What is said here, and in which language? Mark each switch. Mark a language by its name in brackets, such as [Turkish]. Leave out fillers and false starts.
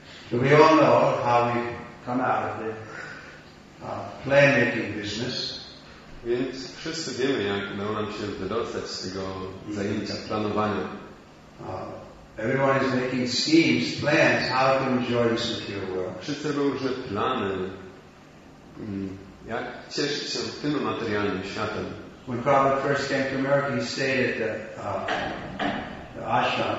[English] So we all know how we come out of the plan-making business. [Polish] Więc wszyscy wiemy, jak udało nam się wydostać z tego zajęcia planowania. [English] Everyone is making schemes, plans, how to enjoy this material world. [Polish] Wszyscy robią różne plany, jak cieszyć się tym materialnym światem. [English] When Prabhupada first came to America, he stayed at the ashram.